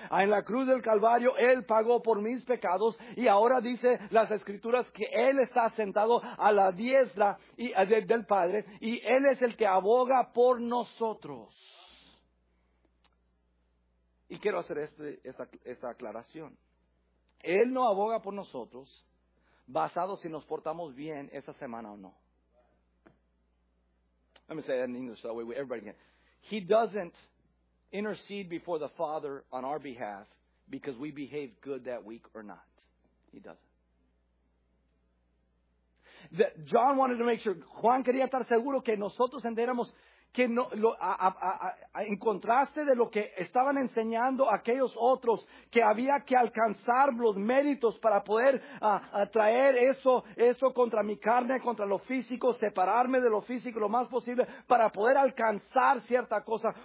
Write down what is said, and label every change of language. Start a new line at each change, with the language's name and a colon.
Spanish: En la cruz del Calvario, Él pagó por mis pecados. Y ahora dice las Escrituras que Él está sentado a la diestra del Padre. Y Él es el que aboga por nosotros. Y quiero hacer esta aclaración. Él no aboga por nosotros basado si nos portamos bien esa semana o no.
English: Let me say that in English, that way everybody can. He doesn't intercede before the Father on our behalf because we behaved good that week or not. He doesn't. John wanted to make sure.
Spanish: Juan quería estar seguro que nosotros entendiéramos que no, en contraste de lo que estaban enseñando aquellos otros, que había que alcanzar los méritos para poder traer eso contra mi carne, contra lo físico, separarme de lo físico lo más posible para poder alcanzar cierta cosa.